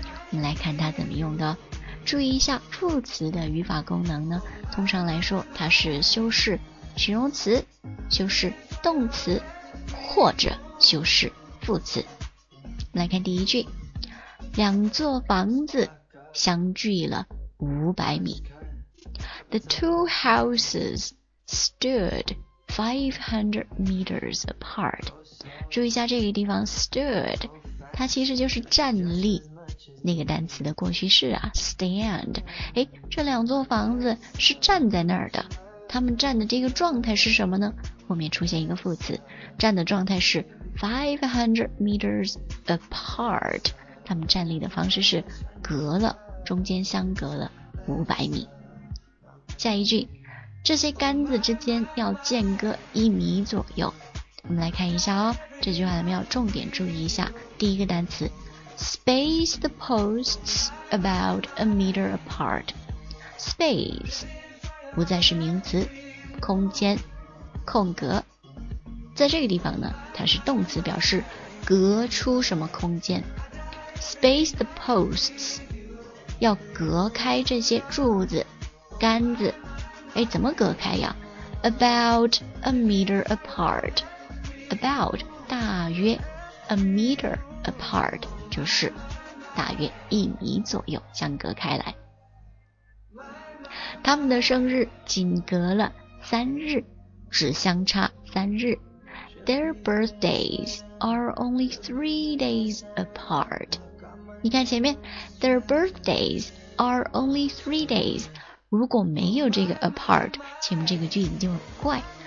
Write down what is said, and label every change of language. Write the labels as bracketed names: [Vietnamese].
[Chinese] 我们来看它怎么用的。注意一下副词的语法功能呢，通常来说它是修饰形容词、修饰动词或者修饰副词。我们来看第一句，两座房子相距了500米。 [English] The two houses stood 500 meters apart. [Chinese] 注意一下这个地方 stood， 它其实就是站立那个单词的过去式啊 stand。诶，这两座房子是站在那儿的，他们站的这个状态是什么呢？后面出现一个副词，站的状态是 [English] 500 meters apart， [Chinese] 他们站立的方式是隔了，中间相隔了500米。下一句，这些杆子之间要间隔1米左右。我们来看一下哦，这句话我们要重点注意一下。第一个单词 [English] ，space the posts about 1 meter apart。 [Chinese] space 不再是名词，空间、空格，在这个地方呢，它是动词，表示隔出什么空间。 [English] space the posts [Chinese] 要隔开这些柱子、杆子。哎，怎么隔开呀？ [English] About a meter apart， [Chinese] About 大约， A meter apart 就是大约1米左右相隔开来。他们的生日仅隔了3日，只相差3日。 [English] Their birthdays are only 3 days apart。 [Chinese] 你看前面 [English] Their birthdays are only 3 days， [Chinese] 如果没有这个 apart， 前面这个句子就很怪。